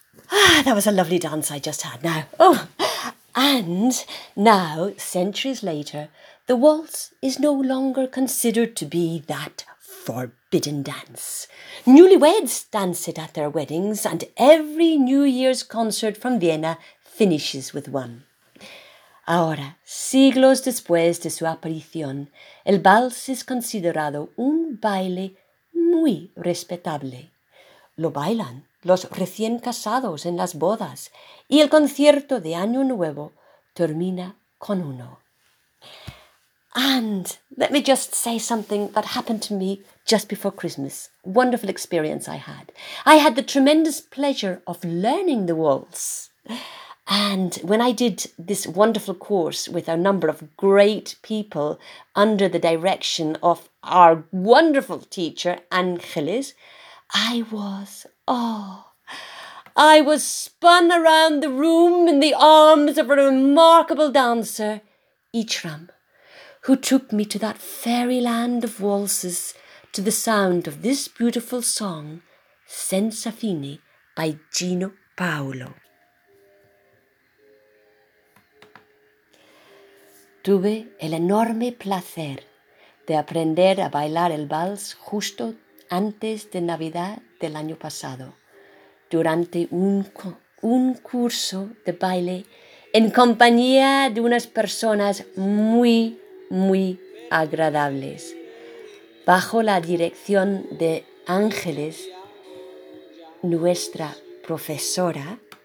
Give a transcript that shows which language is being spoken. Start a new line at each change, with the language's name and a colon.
English: Ah, that was a lovely dance I just had now. Oh, and now, centuries later, the waltz is no longer considered to be that forbidden dance. Newlyweds dance it at their weddings, and every New Year's concert from Vienna finishes with one.
Spanish: Ahora, siglos después de su aparición, el vals es considerado un baile muy respetable. Lo bailan los recién casados en las bodas y el concierto de Año Nuevo termina con uno.
English: And let me just say something that happened to me just before Christmas. Wonderful experience I had. I had the tremendous pleasure of learning the waltz. And when I did this wonderful course with a number of great people under the direction of our wonderful teacher, Angelis, I was spun around the room in the arms of a remarkable dancer, Itram, who took me to that fairyland of waltzes to the sound of this beautiful song, Senza Fine, by Gino Paolo.
Spanish: Tuve el enorme placer de aprender a bailar el vals justo antes de Navidad del año pasado, durante un curso de baile en compañía de unas personas muy, muy agradables, bajo la dirección de Ángeles, nuestra profesora,